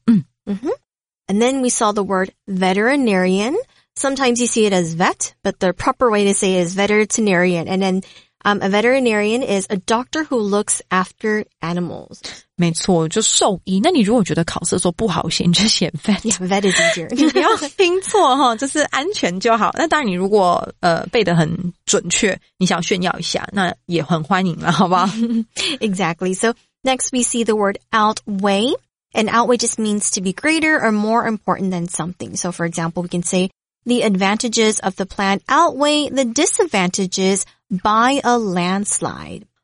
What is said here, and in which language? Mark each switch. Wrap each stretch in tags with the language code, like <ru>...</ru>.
<en>And then we saw the word veterinarian. Sometimes you see it as vet, but the proper way to say it is veterinarian. And then A veterinarian is a doctor who looks after animals.</en> <zh>没错，就兽医。那你如果觉得考试的时候不好写，你就写 vet。</zh> <en>Yeah, vet is easier.</en> <zh>你不要拼错哈，就是安全就好。那当然，你如果背得很准确，你想炫耀一下，那也很欢迎了，好不好</zh> <en>？Exactly. So next, we see the word outweigh, and outweigh just means to be greater or more important than something. So, for example, we can say the advantages of the plan outweigh the disadvantages by a landslide.</en>